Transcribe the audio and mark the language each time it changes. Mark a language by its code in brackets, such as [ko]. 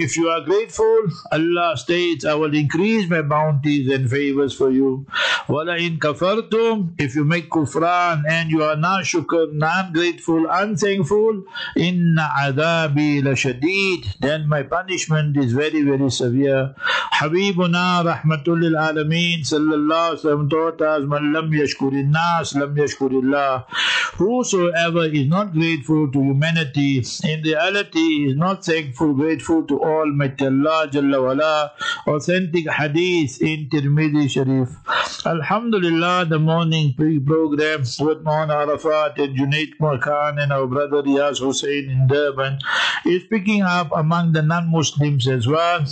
[en] If you are grateful, Allah states, I will increase my bounties and favors for you. [ar] وَلَئِنْ كَفَرْتُمْ. [en] If you make kufran and you are not shukr, non-grateful, unthankful, [ar] إِنَّ عَذَابِي لَشَدِيدٌ. [en] Then my punishment is very, very severe. [ar] حَبِيبُنَا رَحْمَةُ لِلْعَالَمِينَ صلى الله عليه وسلم [en] taught us, [ar] مَنْ لَمْ يَشْكُرِ النَّاسِ لَمْ يَشْكُرِ اللَّهِ. [en] Whosoever is not grateful to humanity, in reality, is not thankful, grateful to Almighty Allah Jalla Wala. Authentic hadith in Tirmidhi Sharif. Alhamdulillah, the morning pre-program with Mohan Arafat and Junaid Khan and our brother Riyaz Hussain in Durban is picking up among the non-Muslims as well.